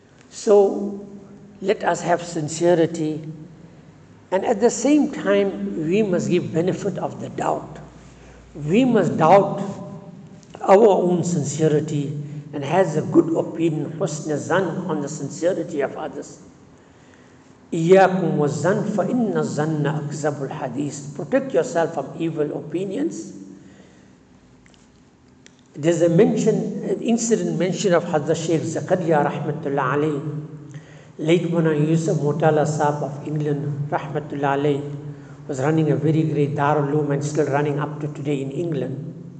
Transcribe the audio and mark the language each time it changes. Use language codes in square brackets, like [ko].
[en] So let us have sincerity. And at the same time, we must give benefit of the doubt. We must doubt our own sincerity and has a good opinion, husna zan, on the sincerity of others. [ar] إِيَّاكُمْ وَالزَّنْ فَإِنَّ الزَّنَّ أَكْزَبُ الْحَدِيثِ. [en] Protect yourself from evil opinions. There's a mention, an incident mentioned of Hazrat Sheikh Zakariya Rahmatullah Alayh, late Mona Yusuf Motala Sahib of England, Rahmatullah Alayh, was running a very great Darul Uloom and still running up to today in England.